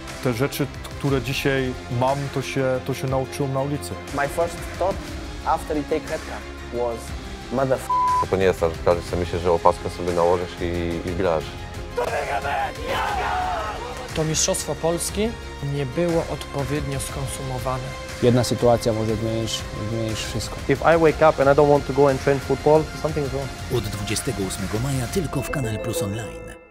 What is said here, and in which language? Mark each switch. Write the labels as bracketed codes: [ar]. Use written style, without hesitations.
[pl] Te rzeczy, które dzisiaj mam, to się nauczyłem na ulicy. [en] My first thought after you take headcap was motherf***. [pl] To nie jest tak, że każdy sobie myśli, że opaskę sobie nałożysz i bilasz. To mistrzostwo Polski nie było odpowiednio skonsumowane. Jedna sytuacja może zmienić wszystko. [en] If I wake up and I don't want to go and train football, something's wrong. [pl] Od 28 maja tylko w Canal Plus Online.